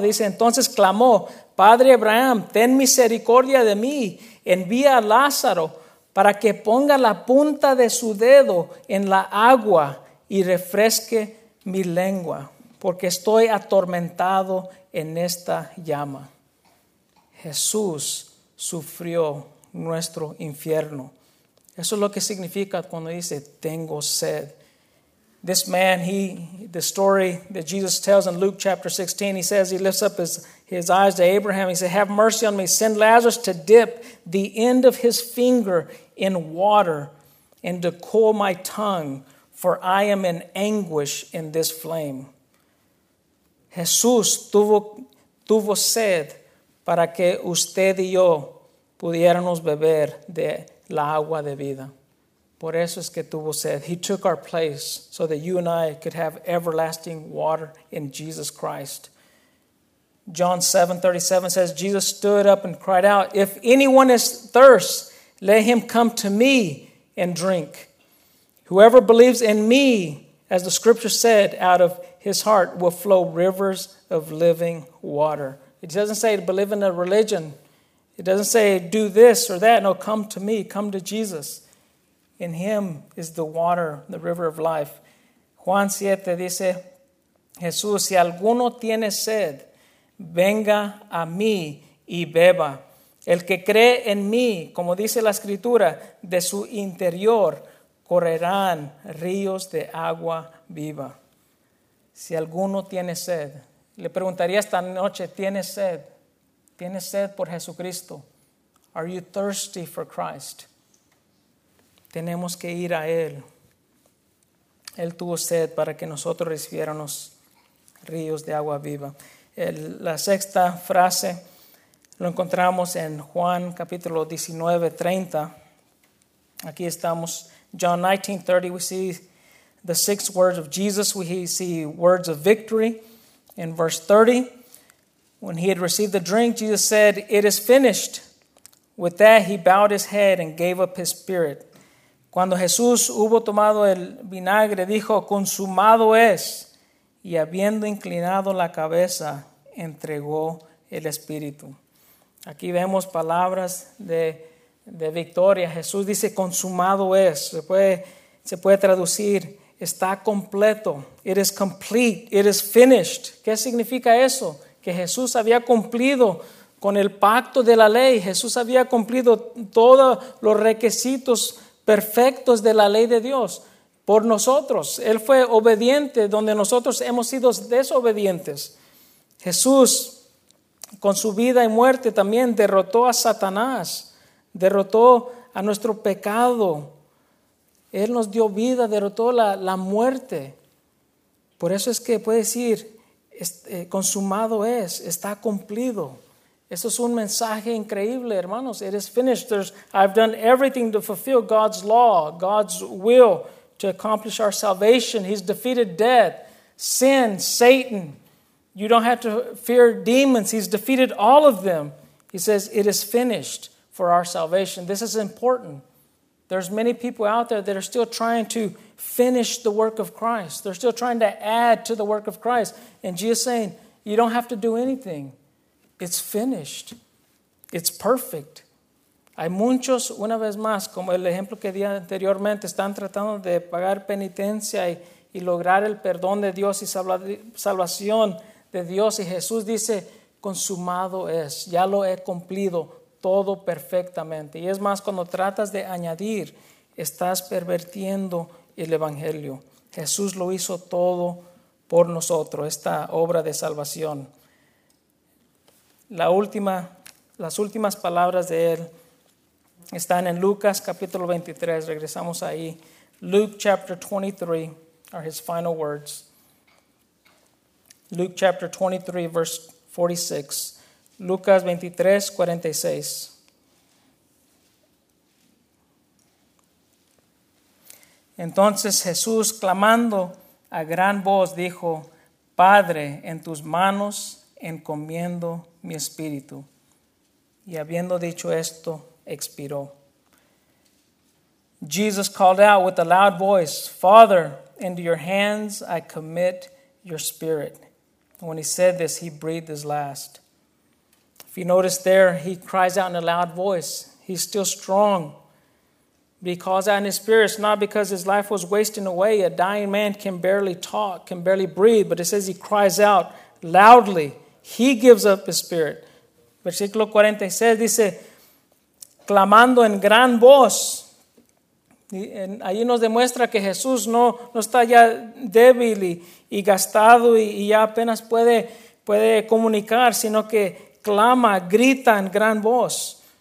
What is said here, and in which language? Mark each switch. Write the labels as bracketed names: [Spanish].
[Spanish] Dice, entonces clamó, Padre Abraham, ten misericordia de mí, envía a Lázaro para que ponga la punta de su dedo en la agua y refresque mi lengua, porque estoy atormentado en esta llama. Jesús sufrió nuestro infierno. Eso es lo que significa cuando dice, tengo sed. [English] This man, the story that Jesus tells in Luke chapter 16, he says, he lifts up his eyes to Abraham. He said, have mercy on me. Send Lazarus to dip the end of his finger in water and to cool my tongue, for I am in anguish in this flame. [Spanish] Jesús tuvo sed para que usted y yo pudiéramos beber de la agua de vida. Por eso es que tuvo sed. [English] He took our place so that you and I could have everlasting water in Jesus Christ. John 7:37 says, Jesus stood up and cried out, if anyone is thirst, let him come to me and drink. Whoever believes in me, as the scripture said, out of his heart will flow rivers of living water. It doesn't say to believe in a religion. It doesn't say do this or that. No, come to me. Come to Jesus. In him is the water, the river of life. [Spanish] Juan 7 dice, Jesús, si alguno tiene sed, venga a mí y beba. El que cree en mí, como dice la escritura, de su interior correrán ríos de agua viva. Si alguno tiene sed, le preguntaría esta noche, ¿tienes sed? ¿Tienes sed por Jesucristo? [English] Are you thirsty for Christ? [Spanish] Tenemos que ir a Él. Él tuvo sed para que nosotros recibiéramos ríos de agua viva. La sexta frase lo encontramos en Juan capítulo 19:30. Aquí estamos. [English] John 19:30, we see the six words of Jesus. We see words of victory. In verse 30, when he had received the drink, Jesus said, it is finished. With that, he bowed his head and gave up his spirit. [Spanish] Cuando Jesús hubo tomado el vinagre, dijo, consumado es. Y habiendo inclinado la cabeza, entregó el espíritu. Aquí vemos palabras de victoria. Jesús dice, consumado es. Se puede traducir, está completo. [English] It is complete. It is finished. [Spanish] ¿Qué significa eso? Que Jesús había cumplido con el pacto de la ley. Jesús había cumplido todos los requisitos perfectos de la ley de Dios por nosotros. Él fue obediente donde nosotros hemos sido desobedientes. Jesús, con su vida y muerte, también derrotó a Satanás, derrotó a nuestro pecado. Él nos dio vida, derrotó la muerte. Por eso es que puede decir, consumado es, está cumplido. Eso es un mensaje increíble, hermanos. [English] It is finished. I've done everything to fulfill God's law, God's will, to accomplish our salvation. He's defeated death, sin, Satan. You don't have to fear demons. He's defeated all of them. He says, it is finished for our salvation. This is important. There's many people out there that are still trying to finish the work of Christ. They're still trying to add to the work of Christ. And Jesus is saying, you don't have to do anything. It's finished. It's perfect. [Spanish] Hay muchos, una vez más, como el ejemplo que di anteriormente, están tratando de pagar penitencia y lograr el perdón de Dios y salvación de Dios. Y Jesús dice, consumado es. Ya lo he cumplido todo perfectamente. Y es más, cuando tratas de añadir, estás pervirtiendo el evangelio. Jesús lo hizo todo por nosotros, esta obra de salvación. Las últimas palabras de él están en Lucas capítulo 23. Regresamos ahí. [English] Luke chapter 23 are his final words. Luke chapter 23 verse 46. Lucas 23, 46. [Spanish] Entonces Jesús, clamando a gran voz, dijo: Padre, en tus manos encomiendo mi espíritu. Y habiendo dicho esto, expiró. [English] Jesus called out with a loud voice: Father, into your hands I commit your spirit. When he said this, he breathed his last. If you notice there, he cries out in a loud voice. He's still strong. But he calls out in his spirit. It's not because his life was wasting away. A dying man can barely talk, can barely breathe. But it says he cries out loudly. He gives up his spirit. [Spanish] Versículo 46 dice, clamando en gran voz. Ahí nos demuestra que Jesús no está ya débil y gastado y ya apenas puede comunicar, sino que clama, grita en gran voz.